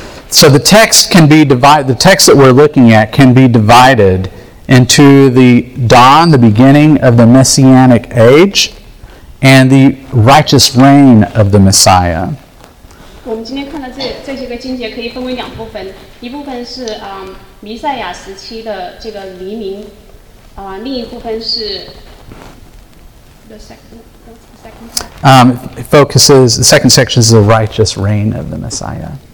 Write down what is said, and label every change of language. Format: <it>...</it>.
<en>So the text that we're looking at can be divided into the dawn, the beginning of the Messianic age, and the righteous reign of the Messiah.</en> <zh>我们今天看的这些个经节可以分为两部分，一部分是弥赛亚时期的这个黎明，另一部分是</zh> <en>The second section is the righteous reign of the Messiah.</en>